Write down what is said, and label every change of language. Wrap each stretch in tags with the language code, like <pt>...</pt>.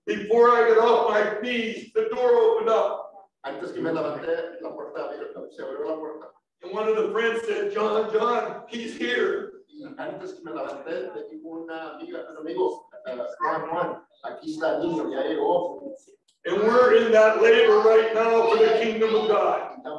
<en>Before I got off my knees, the door opened up.</en> <es>Antes que me levanté, la puerta abierta, se abrió la puerta.</es> <en>And one of the friends said, John, he's here.</en> <es>Antes que me levanté, le dijo una amiga, un amigo, Juan, aquí está el niño, ya llegó.</es> <en>And we're in that labor right now for the kingdom of God.</en>